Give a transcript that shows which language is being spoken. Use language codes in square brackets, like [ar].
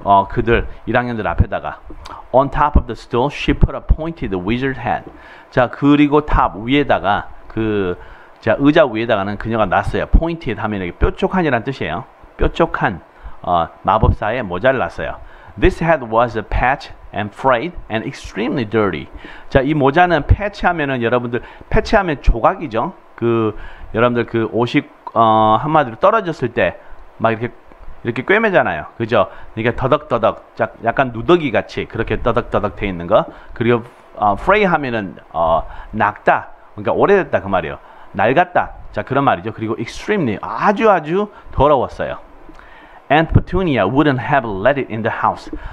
[ko] 그들 1학년들 앞에다가 [en] on top of the stool she put a pointed wizard hat. [ko] 자, 그리고 top 위에다가 자, 의자 위에다가는 그녀가 놨어요. pointed 하면 이게 뾰족한이란 뜻이에요. 뾰족한 마법사의 모자를 놨어요. [en] This hat was a patch and frayed and extremely dirty. [ko] 자, 이 모자는 패치하면은 여러분들 패치하면 조각이죠. 그 여러분들 그 옷이 한마디로 떨어졌을 때 막 이렇게 꿰매잖아요. 그죠? 그러니까 더덕더덕 약간 누더기 같이 그렇게 더덕더덕 돼 있는 거. 그리고 fray 하면은 낙다. 그러니까 오래됐다 그 말이에요. 낡았다. 자, 그런 말이죠. 그리고 extremely 아주 아주 더러웠어요. [en] Aunt Petunia wouldn't have let it in the house.